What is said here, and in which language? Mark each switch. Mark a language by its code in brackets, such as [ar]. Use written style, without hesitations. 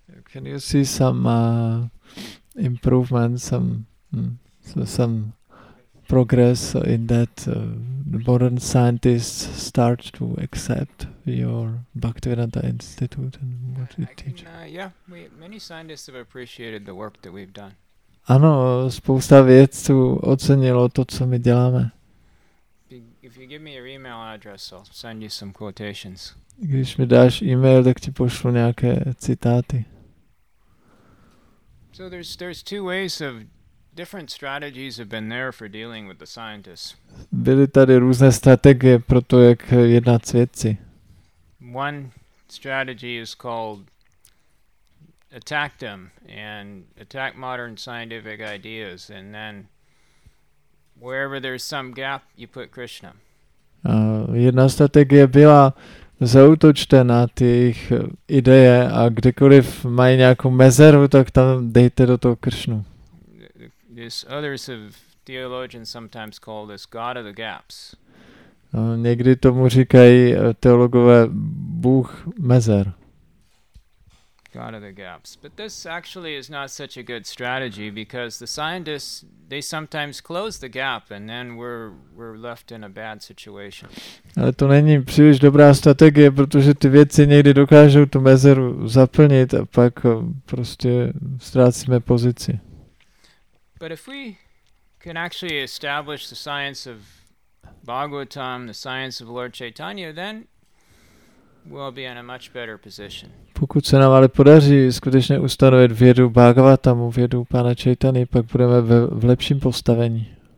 [en] Can you see some improvement, some progress in that modern scientists start to accept your Bhaktivedanta Institute and what you teach. Many scientists have appreciated the work that we've done. [cs] Ano, spousta vědců ocenilo to, co my děláme. [en] If you give me your email address, I'll send you some quotations. [cs] Když mi dáš e-mail, tak ti pošlu nějaké citáty. [en] So there's two ways of different strategies have been there for dealing with the scientists. [cs] Byly tady různé strategie pro to, jak jednat s vědci. [en] One strategy is called attack them and attack modern scientific ideas, and then wherever there's some gap, you put Krishna. [cs] Jedna strategie byla zaútočte na ty jejich ideje a kdekoliv mají nějakou mezeru, tak tam dejte do toho Krishnu. [en] This others of theologians sometimes call this God of the gaps. [cs] Někdy tomu říkají teologové Bůh mezer. [en] God of the gaps. But this actually is not such a good strategy because the scientists, they sometimes close the gap and then we're left in a bad situation. [cs] Ale to není příliš dobrá strategie, protože ty vědci někdy dokážou tu mezeru zaplnit a pak prostě ztrácíme pozici. [en] But if we can actually establish the science of Bhagavatam, the science of Lord Chaitanya, then we'll be in a much better position. [cs] Pokud se nám ale podaří skutečně ustanovit vědu Bhagavatamu, vědu pana Chaitany, pak budeme v lepším postavení.